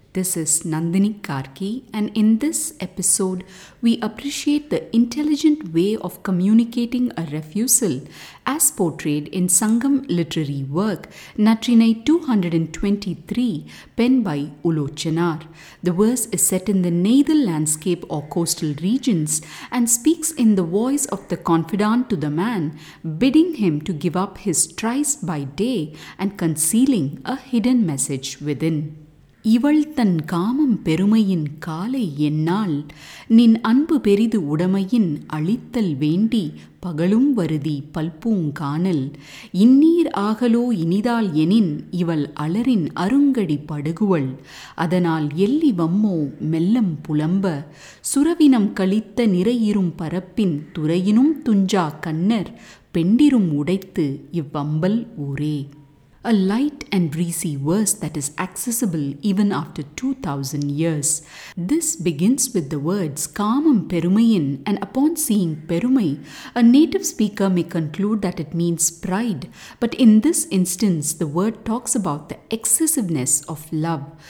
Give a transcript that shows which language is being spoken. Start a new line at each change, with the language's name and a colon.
English: This is Nandini Karki, and in this episode, we appreciate the intelligent way of communicating a refusal as portrayed in Sangam literary work Natrinai 223, penned by Ulochanaar. The verse is set in the Neythal landscape or coastal regions and speaks in the voice of the confidante to the man, bidding him to give up his tryst by day and concealing a hidden message within.
Tamil: இவள் தன் காமம் பெருமையின் காலை என்னால் நின் அன்பு பெரிது உடமையின் அழித்தல் வேண்டி பகலும் வருதி பல்பூங்கானல் இந்நீர் ஆகலோ இனிதால் எனின் இவள் அலரின் அருங்கடி படுகுவள் அதனால் எல்லி வம்மோ மெல்லம் புலம்ப சுரவினம் கழித்த நிறையிரும் பரப்பின் துறையினும் துஞ்சா கன்னர் பெண்டிரும் உடைத்து இவ்வம்பல் ஊரே.
English: A light and breezy verse that is accessible even after 2000 years. This begins with the words Kamam Perumayin, and upon seeing Perumai, a native speaker may conclude that it means pride. But in this instance, the word talks about the excessiveness of love.